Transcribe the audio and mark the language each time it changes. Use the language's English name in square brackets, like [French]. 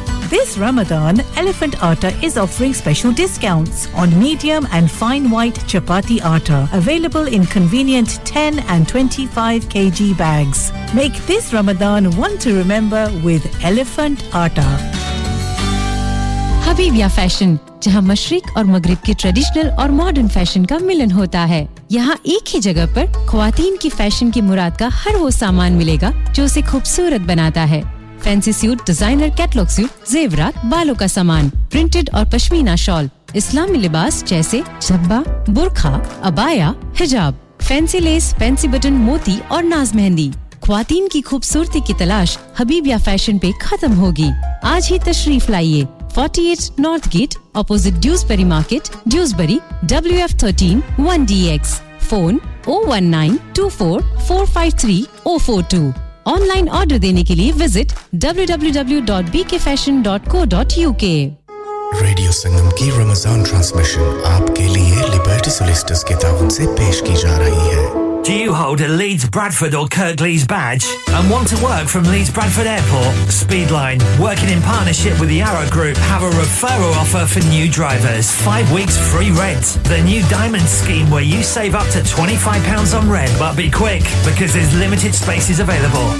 [English] This Ramadan, Elephant Atta is offering special discounts on medium and fine white chapati atta, available in convenient 10 and 25 kg bags. Make this Ramadan one to remember with Elephant Atta. [Hindi] Habibiya fashion जहां मशरिक और मगरिब के traditional और modern fashion का मिलन होता है यहां एक ही जगह पर ख्वातीन की फैशन की मुराद का हर वो सामान मिलेगा जो उसे खूबसूरत बनाता है fancy suit designer catalogue suit जेवरात बालों का सामान प्रिंटेड और पश्मीना शॉल इस्लामी लिबास जैसे जब्बा बुरखा अबाया हिजाब फैंसी लेस फैंसी बटन मोती और नाज मेहंदी ख्वातीन की खूबसूरती की तलाश हबीबिया फैशन पे खत्म होगी आज ही तशरीफ लाइए 48 north gate opposite Dewsbury market Dewsbury WF13 1DX phone 01924453042 online order देने के लिए विजिट www.bkfashion.co.uk रेडियो संगम की रमजान ट्रांसमिशन आपके लिए लिबर्टी सॉलिस्टर्स के तावन से पेश की जा रही है [English] Do you hold a Leeds Bradford or Kirklees badge and want to work from Leeds Bradford Airport? Speedline, working in partnership with the Arrow Group, have a referral offer for new drivers. 5 weeks free rent. The new Diamond Scheme where you save up to £25 on rent, but be quick because there's limited spaces available.